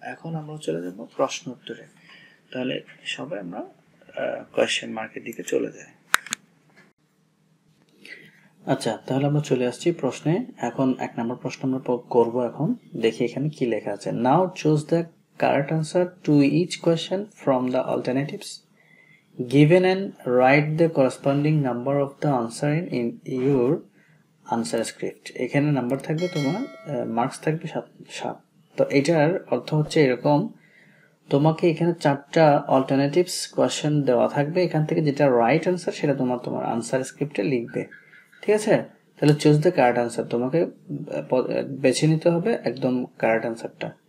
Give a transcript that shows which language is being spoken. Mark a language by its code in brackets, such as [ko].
[bn] এখন আমরা চলে যাব প্রশ্ন উত্তরে, তাহলে সবাই আমরা কোয়েশ্চেন মার্কের দিকে চলে যাই। আচ্ছা, তাহলে আমরা চলে আসছি প্রশ্নে। এখন এক নম্বর প্রশ্ন আমরা করবো, এখন দেখি এখানে কি লেখা আছে। [en] Now choose the correct answer to each question from the alternatives, Given and write the corresponding number of the answer in your answer script. [bn] এখানে নাম্বার থাকবে তোমার, মার্কস থাকবে 7। তো এটার অর্থ হচ্ছে এরকম, তোমাকে এখানে চারটা অল্টারনেটিভস কোয়েশ্চেন দেওয়া থাকবে, এখান থেকে যেটা রাইট আনসার সেটা তোমার তোমার আনসার স্ক্রিপ্টে লিখবে, ঠিক আছে? তাহলে [en] choose the correct answer, [bn] তোমাকে বেছে নিতে হবে একদম কারেক্ট আনসারটা।